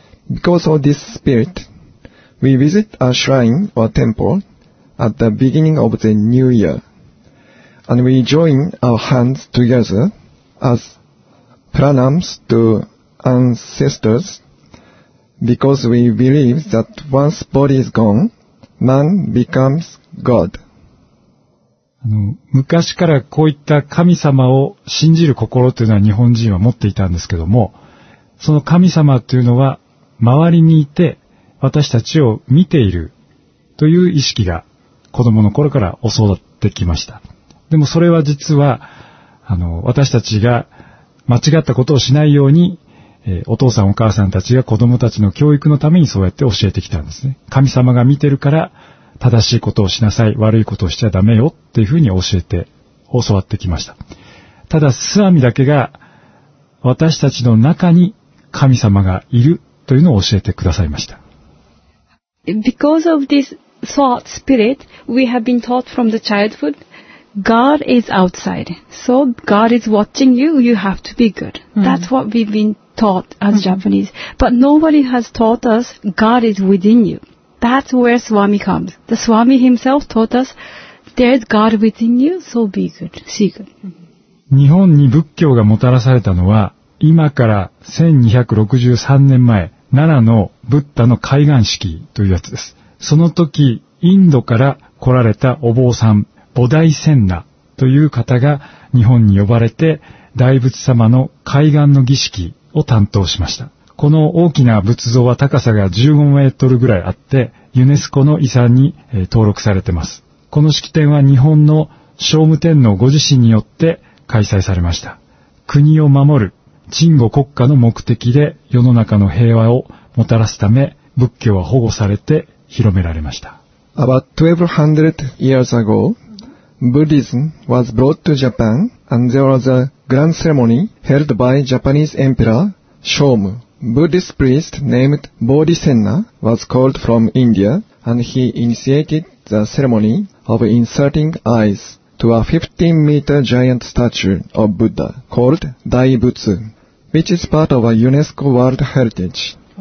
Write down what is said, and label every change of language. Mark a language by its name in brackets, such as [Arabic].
[English] Because of this spirit, we visit a shrine or temple at the beginning of the new year. And we join our hands together as pranams to ancestors because we believe that once body is gone, man becomes God. [Japanese] 昔からこういった神様を信じる心というのは日本人は持っていたんですけども、その神様というのは周りにいて私たちを見ているという意識が子供の頃から教わってきました。でもそれは実は私たちが間違ったことをしないように、お父さんお母さんたちが子供たちの教育のためにそうやって教えてきたんですね。神様が見てるから正しいことをしなさい、悪いことをしちゃダメよっていうふうに教えて教わってきました。ただスワミだけが私たちの中に神様がいるというのを教えてくださいました。 [English] Because of this thought spirit we have been taught from the childhoodGod is outside. So God is watching you. You have to be good. Mm-hmm. That's what we've been taught as mm-hmm. Japanese. But nobody has taught us God is within you. That's where Swami comes. The Swami himself taught us there is God within you. So be good. See good. [Japanese] 日本に仏教がもたらされたのは今から1263年前奈良のブッダの開眼式というやつです。その時、インドから来られたお坊さん、菩提僊那という方が日本に呼ばれて、大仏様の開眼の儀式を担当しました。この大きな仏像は高さが15メートルぐらいあって、ユネスコの遺産に登録されています。この式典は日本の聖武天皇ご自身によって開催されました。国を守る、鎮護国家の目的で世の中の平和をもたらすため、仏教は保護されて広められました。 [English] About 1200 years ago, Buddhism was brought to Japan and there was a grand ceremony held by Japanese Emperor Shomu. Buddhist priest named Bodhisena was called from India and he initiated the ceremony of inserting eyes to a 15-meter giant statue of Buddha called Daibutsu, which is part of a UNESCO World Heritage.